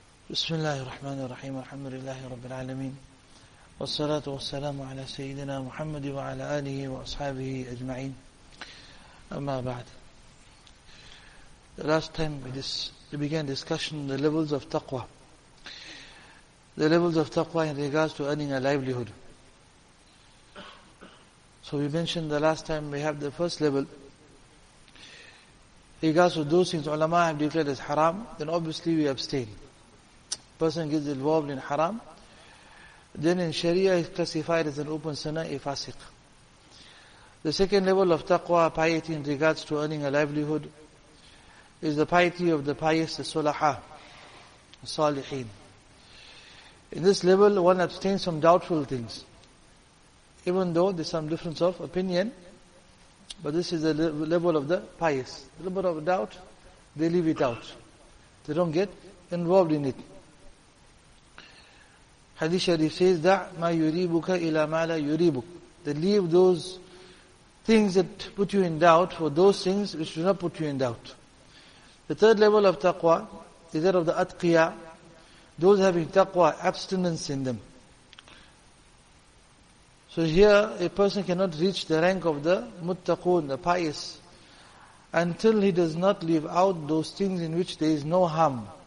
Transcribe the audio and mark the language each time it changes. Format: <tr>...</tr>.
<ar>بسم الله الرحمن الرحيم، الحمد لله رب العالمين، والصلاة والسلام على سيدنا محمد وعلى آله وأصحابه أجمعين، أما بعد.</ar> <en>The last time we began discussion the levels of taqwa. The levels of taqwa in regards to earning a livelihood. So we mentioned the last time we have the first level. Regards to those things ulama have declared as haram, then obviously we abstain. Person gets involved in haram, then in sharia is classified as an open sinner, a fasiq. The second level of taqwa, piety in regards to earning a livelihood, is the piety of the pious, the sulaha, the salihin. In this level, one abstains from doubtful things. Even though there's some difference of opinion, but this is the level of the pious. A little bit of doubt, they leave it out. They don't get involved in it. Hadith Sharif says,</en> <ar>دَعْ مَا يُرِيبُكَ إِلَى مَا لَا يُرِيبُكَ.</ar> <en>They leave those things that put you in doubt for those things which do not put you in doubt. The third level of taqwa is that of the atqiya. Those having taqwa, abstinence in them. So here, a person cannot reach the rank of the muttaqun, the pious, until he does not leave out those things in which there is no harm.</en>